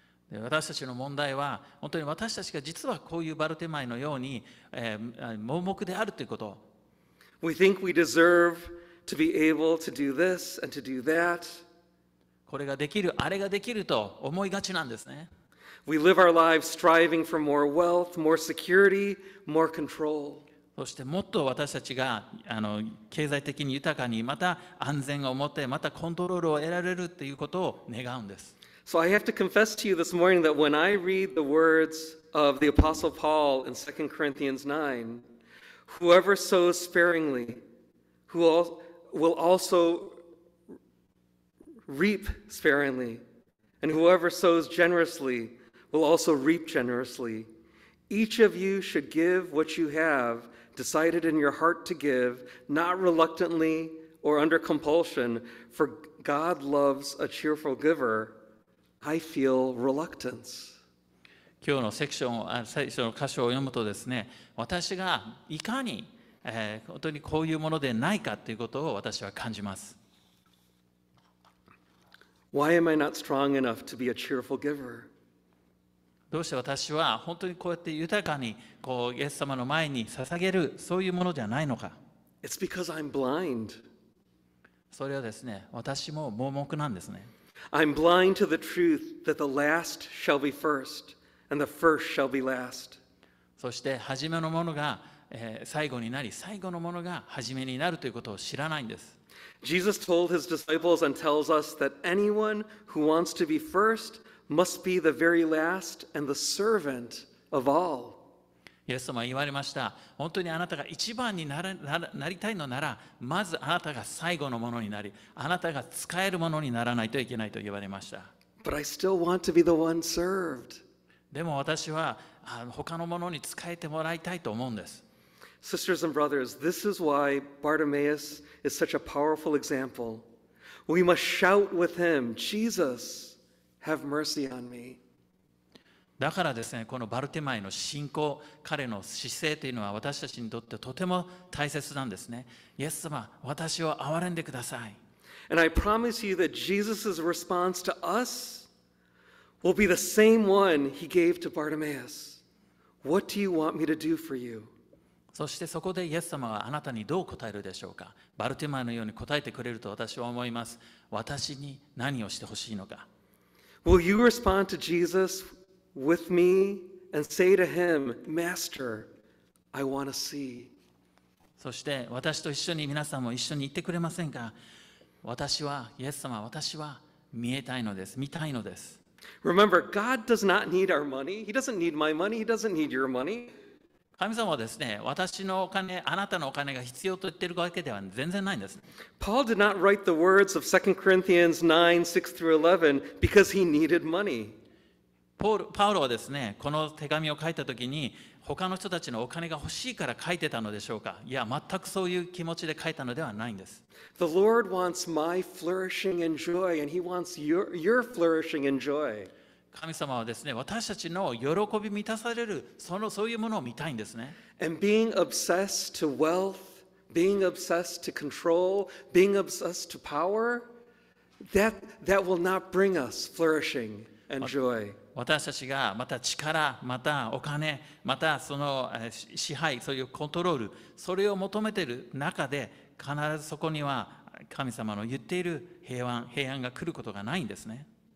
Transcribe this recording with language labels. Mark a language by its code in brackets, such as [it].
[ja] 私たちの問題は本当に私たちが実はこういうバルテマイのように、盲目であるということ。 [en] We think we deserve to be able to do this and to do that. [ja] これができる、あれができると思いがちなんですね。 [en] We live our lives striving for more wealth, more security, more control. [ja] そしてもっと私たちが経済的に豊かに、また安全を持って、またコントロールを得られるということを願うんです。 [en] So I have to confess to you this morning that when I read the words of the Apostle Paul in 2 Corinthians 9, whoever sows sparingly will also reap sparingly, and whoever sows generously will also reap generously. Each of you should give what you have decided in your heart to give, not reluctantly or under compulsion, for God loves a cheerful giver. I feel reluctance. [ja] 今日のセクション、最初の箇所を読むとですね、私がいかに、本当にこういうものでないかということを私は感じます。 [en] Why am I not strong enough to be a cheerful giver? [ja] どうして私は本当にこうやって豊かにこうイエス様の前に捧げるそういうものじゃないのか。 [en] It's because I'm blind. [ja] それはですね、私も盲目なんですね。 [en] I'm blind to the truth that the last shall be first, and the first shall be last. [ja] そして初めのものが最後になり、最後のものが初めになるということを知らないんです。 [en] Jesus told his disciples and tells us that anyone who wants to be first must be the very last and the servant of all. [ja] イエス様は言われました。本当にあなたが一番になら、なりたいのなら、まずあなたが最後のものになり、あなたが使えるものにならないといけないと言われました。 [en] But I still want to be the one served. [ja] でも私は他のものに使えてもらいたいと思うんです。 [en] Sisters and brothers, this is why Bartimaeus is such a powerful example. We must shout with him, Jesus, have mercy on me. [ja] だからですね、このバルテマイの信仰、彼の姿勢というのは私たちにとってとても大切なんですね。イエス様、私を憐れんでください。 [en] And I promise you that Jesus' response to us will be the same one he gave to Bartimaeus. What do you want me to do for you? [ja] そしてそこでイエス様はあなたにどう答えるでしょうか。バルテマイのように答えてくれると私は思います。私に何をしてほしいのか。 [en] Will you respond to Jesus with me and say to him, Master, I want to see? [ja] そして私と一緒に皆さんも一緒に言ってくれませんか。私はイエス様、私は見えたいのです、見たいのです。 [en] Remember, God does not need our money. He doesn't need my money. He doesn't need your money. [ja] 神様はですね、私のお金、あなたのお金が必要と言っているわけでは全然ないんです。 [en] Paul did not write the words of 2 Corinthians 9:6-11 because he needed money. [ja] パウロはですね、この手紙を書いたときに、他の人たちのお金が欲しいから書いてたのでしょうか。いや、全くそういう気持ちで書いたのではないんです。 [en] The Lord wants my flourishing and joy, and he wants your flourishing and joy. [ja] 神様はですね、私たちの喜び満たされる、そういうものを見たいんですね。 [en] And being obsessed to wealth, being obsessed to control, being obsessed to power, that will not bring us flourishing and joy. [ja] 私たちがまた力、またお金、またその支配、そういうコントロール、それを求めている中で、必ずそこには神様の言っている平安が来ることがないんですね。